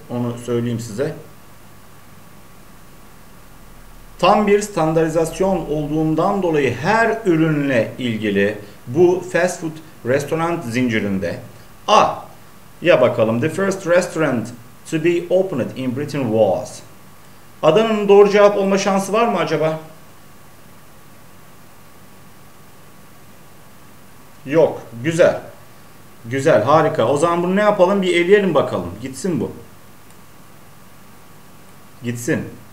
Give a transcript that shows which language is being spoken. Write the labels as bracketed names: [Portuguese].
[Turkish] Onu söyleyeyim size. Tam bir standardizasyon olduğundan dolayı her ürünle ilgili bu fast food restaurant zincirinde A. Ya bakalım. [English] The first restaurant to be opened in Britain was. [Turkish] Adanın doğru cevap olma şansı var mı acaba? Yok. Güzel. Güzel. Harika. O zaman bunu ne yapalım? Bir eleyelim bakalım. Gitsin bu. Gitsin.